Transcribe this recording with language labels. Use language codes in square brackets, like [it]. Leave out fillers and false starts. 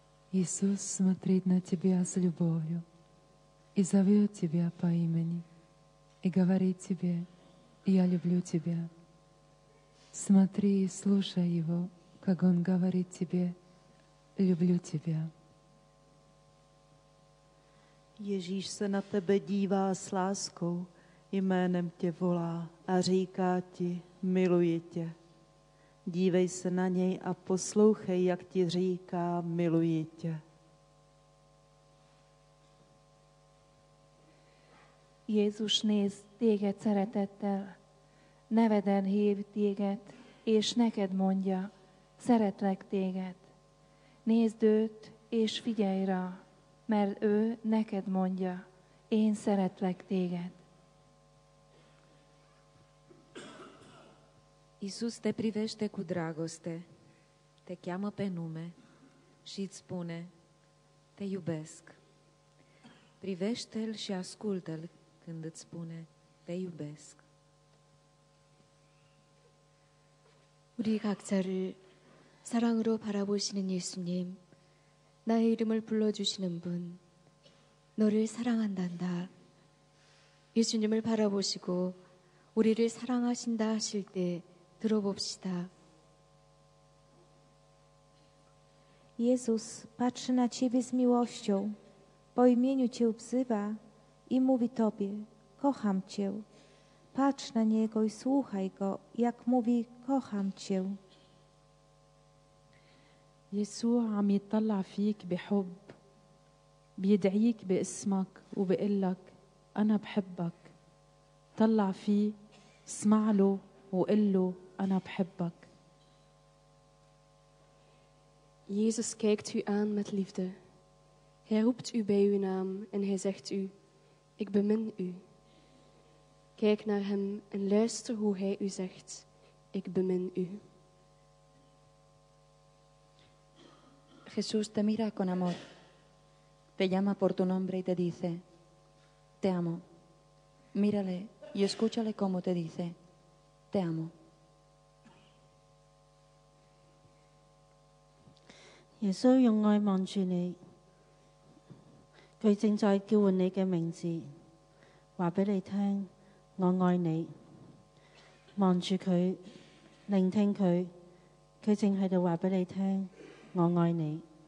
[ru] Иисус смотрит на тебя с любовью и зовет тебя по имени и говорит тебе: я люблю тебя. Смотри и слушай его, как он говорит тебе: люблю тебя. [cs] Ježíš se na tebe dívá s láskou, jménem tě volá a říká ti: miluji tě. Dívej se na něj a poslouchej, jak ti říká: miluji tě. [hu] Jézus néz téged szeretettel, neveden hív téged, és neked mondja: szeretlek téged. Nézd őt, és figyelj rá, mert ő neked mondja: én szeretlek téged. [ro] Iisus te privește cu dragoste, te cheamă pe nume și îți spune: te iubesc. Privește-l și ascultă-l când îți spune: te iubesc. [ko] Uri 각자를 사랑으로 바라보시는 예수님, 나의 이름을 불러주시는 분, 너를 사랑한단다. 예수님을 바라보시고 우리를 사랑하신다 하실 때 들어봅시다. [pl] Jezus patrzy na Ciebie z miłością, po imieniu Cię wzywa i mówi Tobie, kocham Cię. Patrz na Niego i słuchaj Go, jak mówi, kocham Cię. [ar] يسوع عم يتطلع فيك بحب بيدعيك باسمك وبيقول لك انا بحبك طلع فيه اسمع له وقل له انا بحبك [nl] Jesus kijkt u aan met liefde. Hij roept u bij uw naam en hij zegt u: ik bemin u. Kijk naar hem en luister hoe hij u zegt: ik bemin u. [es] Jesús te mira con amor, te llama por tu nombre y te dice, te amo. Mírale y escúchale cómo te dice, te amo. [yue] Jesús 用爱望住你，佢正在叫唤你嘅名字，话俾你听，我爱你。望住佢，聆听佢，佢正喺度话俾你听，我爱你。